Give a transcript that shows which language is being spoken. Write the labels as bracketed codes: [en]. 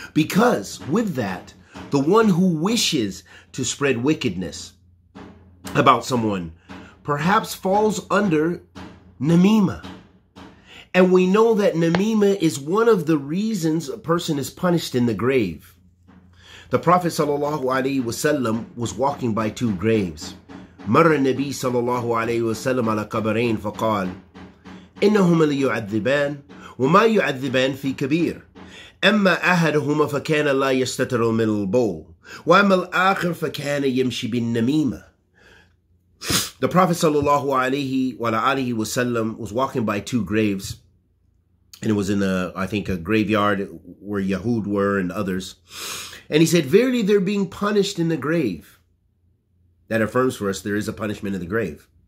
[en] Because with that, the one who wishes to spread wickedness about someone perhaps falls under namima. And we know that namima is one of the reasons a person is punished in the grave. The Prophet sallallahu alaihi wasallam was walking by two graves. [ar] مر النبي صلى الله عليه وسلم على قبرين فقال إنهما ليعذبان وما يعذبان في كبير أما أحدهما فكان لا يستتر من البول وأما الآخر فكان يمشي بالنميمة. [en] The Prophet [ar] صلى الله عليه وآله وسلم [en] was walking by two graves, and it was in a graveyard where Yahud were and others, and he said, verily they're being punished in the grave. That affirms for us there is a punishment in the grave.